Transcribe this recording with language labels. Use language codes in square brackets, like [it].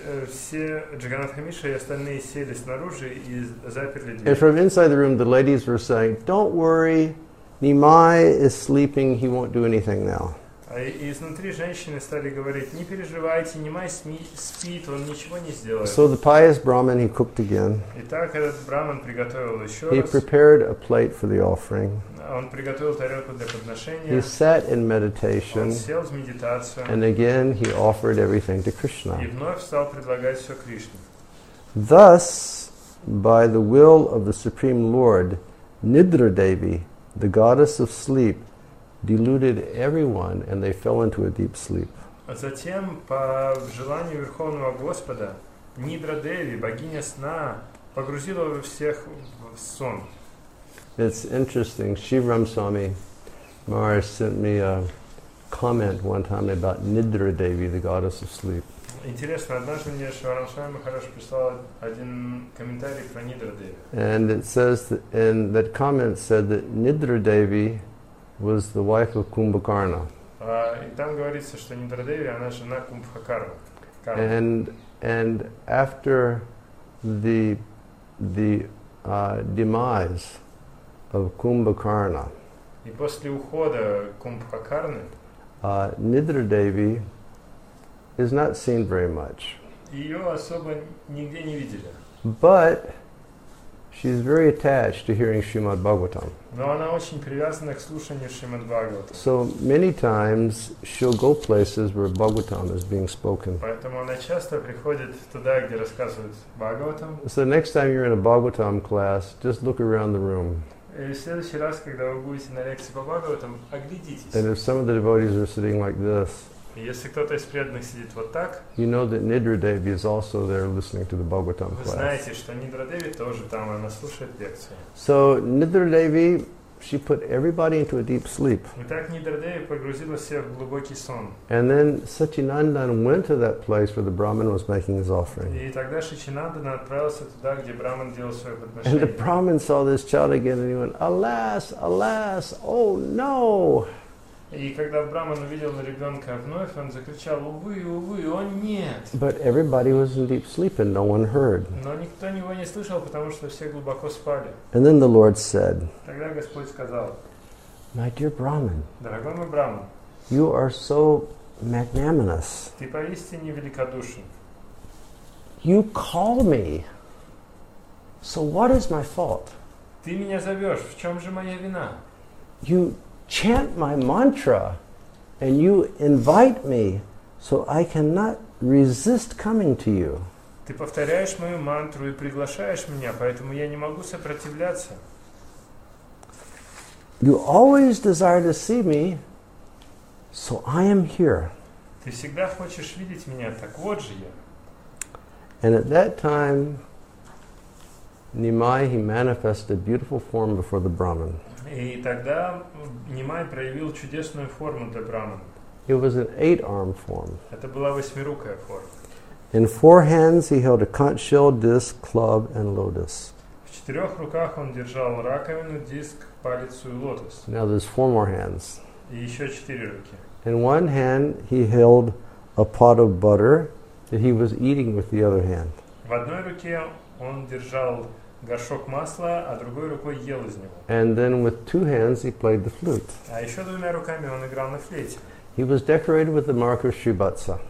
[ru] Все Джаганнатха Мишра и остальные сели снаружи и заперли дверь. [en] And from inside the room, the ladies were saying, "Don't worry, Nimai is sleeping. He won't do anything now." [ru] И изнутри женщины стали говорить: не переживайте, Нимай спит, он ничего не сделает. [en] So the pious Brahmin, he cooked again. [ru] Итак, этот Брахман приготовил еще [en] раз. He prepared a plate for the offering. [ru] Он приготовил тарелку для подношения. [en] He sat in meditation. [ru] Он сел в медитацию. [en] And again he offered everything to Krishna. [ru] И вновь стал предлагать все Кришне. [en] Thus, by the will of the Supreme Lord, Nidra Devi, the goddess of sleep, deluded everyone, and they fell into a deep sleep. [ru] Затем, по желанию Верховного Господа, Нидра Деви, богиня сна, погрузила всех в сон. [en] It's interesting. Shivram Swami Maharaj sent me a comment one time about Nidra Devi, the goddess of sleep. [ru] Интересно, однажды мне Шиварам Свами Махарадж прислал один комментарий про Нидра Деви. [en] And it says in that comment said that Nidra Devi was the wife of Kumbhakarna. [ru] И там говорится, что Нидра Деви, она жена Кумбхакарны. [en] And after the demise of Kumbhakarna. [ru] И после ухода Кумбхакарны. [en] Nidra Devi is not seen very much. [ru] Её особо нигде не видели. [en] But she's very attached to hearing Srimad Bhagavatam. [ru] Но она очень привязана к слушанию Шримад Бхагаватам. [en] So many times she'll go places where Bhagavatam is being spoken. [ru] Поэтому она часто приходит туда, где рассказывают Бхагаватам. [en] So next time you're in a Bhagavatam class, just look around the room. [ru] И в следующий раз, когда вы будете на лекции по Бхагаватам, оглядитесь. [en] And if some of the devotees are sitting like this, [ru] если кто-то из преданных сидит вот так, [en] you know that Nidra Devi is also there listening to the Bhagavatam class. [ru] Вы знаете, что Нидра Деви тоже там, она слушает лекцию. [en] So Nidra Devi, she put everybody into a deep sleep. [ru] Итак, Нидра Деви погрузила всех в глубокий сон. [en] And then Satchinandan went to that place where the Brahmin was making his offering. [ru] И тогда Шичинандан отправился туда, где Брахман делал свое подношение. [en] And the Brahmin saw this child again, and he went, "Alas, alas, oh no!" [ru] И когда Брахман увидел ребенка вновь, он закричал: «Увы, увы, о нет!» [en] But everybody was in deep sleep and no one heard. [ru] Но никто его не слышал, потому что все глубоко спали. [en] And then the Lord said, [ru] тогда Господь сказал: [en] «My dear Brahman, [ru] дорогой мой Брахман, [en] you are so magnanimous. [ru] Ты поистине великодушен. [en] You call me. So what is my fault? [ru] Ты меня зовешь, в чем же моя вина? [en] You chant my mantra and you invite me, so I cannot resist coming to you. [ru] Ты повторяешь мою мантру и приглашаешь меня, поэтому я не могу сопротивляться. [en] You always desire to see me, so I am here. [ru] Ты всегда хочешь видеть меня, так вот же я. [en] And at that time Nimai, he manifested a beautiful form before the Brahmin. [ru] И тогда Нимай проявил чудесную форму для Брахмана. [en] It was an eight-armed form. [ru] Это была восьмирукая форма. [en] In four hands he held a conch shell, disc, club and lotus. [ru] В четырех руках он держал раковину, диск, палец и лотос. [en] Now there's four more hands. [ru] И еще четыре руки. [en] In one hand he held a pot of butter that he was eating with the other hand. [ru] В одной руке он держал горшок масла, а другой рукой ел из него. [en] And then with two hands he played the flute. [ru] А еще двумя руками он играл на флейте. [en] He was decorated with the mark of Shrivatsa.